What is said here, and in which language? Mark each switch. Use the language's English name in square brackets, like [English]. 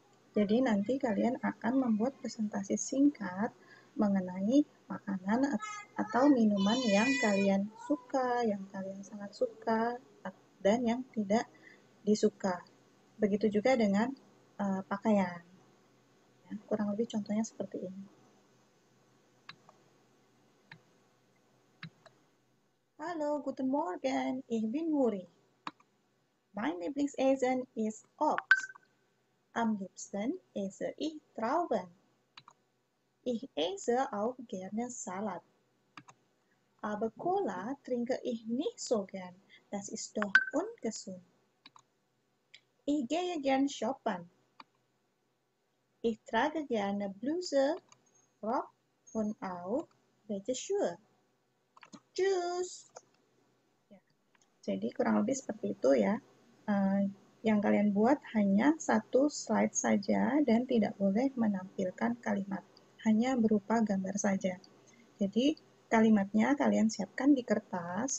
[Indonesian] Jadi nanti kalian akan membuat presentasi singkat mengenai makanan atau minuman yang kalian suka, yang kalian sangat suka, dan yang tidak disuka. Begitu juga dengan pakaian. Ya, kurang lebih contohnya seperti ini. [German] Hallo, guten Morgen, ich bin Muri. Mein Lieblingsessen ist Obst. Am liebsten esse ich Trauben. Ich esse auch gerne Salat. Aber Cola trinke ich nicht so gern. Das ist doch ungesund. Ich gehe gern shoppen. Ich trage gerne Bluse, Rock und auch welche Schuhe. Tschüss! Ja. [Indonesian] Jadi kurang lebih seperti itu ya. Yang kalian buat hanya satu slide saja dan tidak boleh menampilkan kalimat. Hanya berupa gambar saja. Jadi, kalimatnya kalian siapkan di kertas.